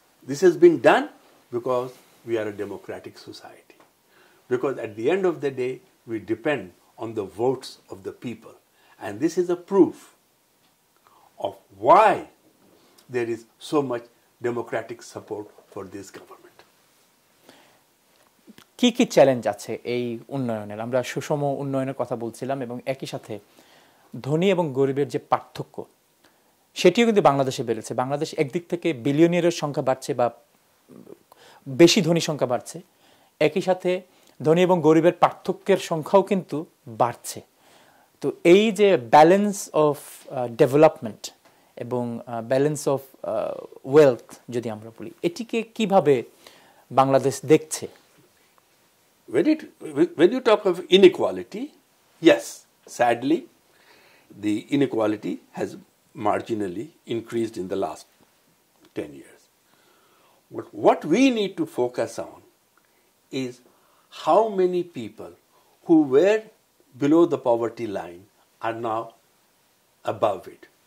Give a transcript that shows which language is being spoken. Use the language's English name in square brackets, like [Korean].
[English] This has been done because we are a democratic society. Because at the end of the day, we depend on the votes of the people. And this is a proof of why there is so much democratic support for this government. [Bangla] কি কি challenge আছে এই উন্নয়নের? আমরা সুষম উন্নয়নের কথা বলছিলাম এবং একই সাথে ধনী এবং গরিবের যে পার্থক্য সেটিও কিন্তু বাংলাদেশে বেড়েছে। বাংলাদেশ একদিক থেকে বিলিয়নিয়ারের সংখ্যা বাড়ছে বা বেশি ধনী সংখ্যা বাড়ছে, একই সাথে ধনী এবং গরিবের পার্থক্যের সংখ্যাও কিন্তু বাড়ছে। তো এই যে [English] balance of development [Bangla] এবং [English] balance of wealth [Bangla] যদি আমরা বলি, এটিকে কিভাবে বাংলাদেশ দেখছে? [English] When you talk of inequality, yes, sadly, the inequality has marginally increased in the last 10 years. But what we need to focus on is how many people who were below the poverty line are now above it.